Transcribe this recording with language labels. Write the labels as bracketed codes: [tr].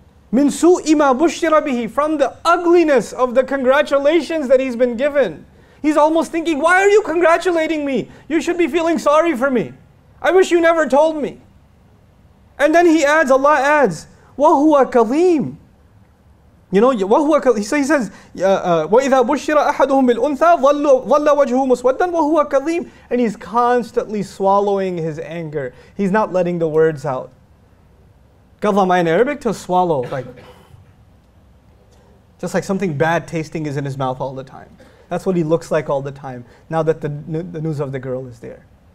[ar] Min su'i ma bushira bihi, [en] from the ugliness of the congratulations that he's been given. He's almost thinking, why are you congratulating me? You should be feeling sorry for me. I wish you never told me. And then he adds, Allah adds, [ar] وَهُوَ كَلِيمٌ. [en] You know, [ar] وَهُوَ كَظِيمٌ. He says, وَإِذَا بُشِّرَ أَحَدُهُمْ بِالْأُنْثَى ظَلَّ وَجْهُهُ مُسْوَدًّا وَهُوَ كَظِيمٌ. [en] And he's constantly swallowing his anger. He's not letting the words out. كَظَمَ in Arabic, to swallow. Like, just like something bad tasting is in his mouth all the time. That's what he looks like all the time, now that the news of the girl is there.